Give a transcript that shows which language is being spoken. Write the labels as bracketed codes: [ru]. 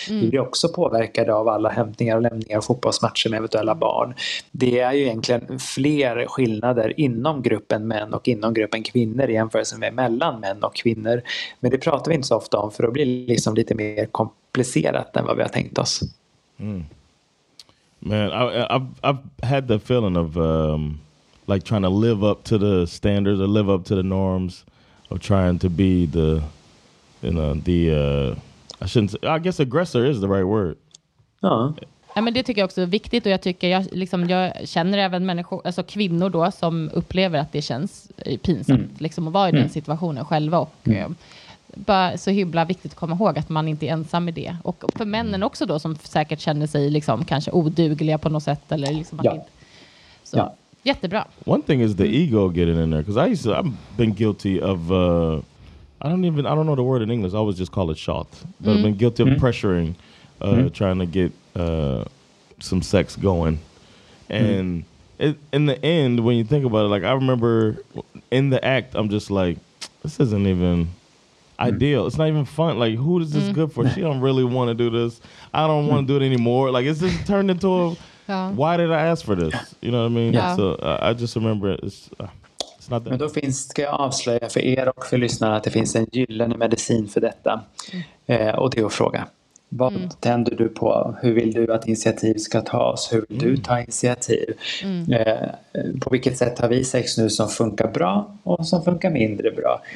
[sv] Mm. Vi blir också påverkade av alla hämtningar och lämningar, fotbollsmatcher med eventuella barn. Det är ju egentligen fler skillnader inom gruppen män och inom gruppen kvinnor i jämförelse med mellan män och kvinnor. Men det pratar vi inte så ofta om, för det blir liksom lite mer komplicerat än vad vi har tänkt oss. Mm. [en] Man, I've had the feeling of like trying to live up to the standards or live up to the norms of trying to be the, you know, the I shouldn't say, I guess aggressor is the right word. [sv] Ja. Men det tycker jag också är viktigt, och jag tycker jag liksom, jag känner även människor, alltså kvinnor då, som upplever att det känns pinsamt liksom att vara i den situationen själva, och bara så hybla viktigt att komma ihåg att man inte är ensam i det. Och för männen också då, som säkert känner sig liksom kanske odugliga på något sätt eller liksom att inte. Så jättebra. [en] One thing is the ego getting in there, because I've been guilty of I don't know the word in English. I always just call it shot. But I've been guilty of pressuring trying to get some sex going. And in the end, when you think about it, like I remember in the act, I'm just like, this isn't even ideal. It's not even fun. Like, who is this good for? She don't really want to do this. I don't want to do it anymore. Like, it's just turned into a why did I ask for this? You know what I mean? Yeah. So I just remember it's not that. [sv] Men då finns, ska jag avslöja för er och för lyssnarna, att det finns en gyllene medicin för detta. Och det är att fråga. Vad tänder du på? Hur vill du att initiativ ska tas? Hur vill du ta initiativ? På vilket sätt har vi sex nu som funkar bra och som funkar mindre bra?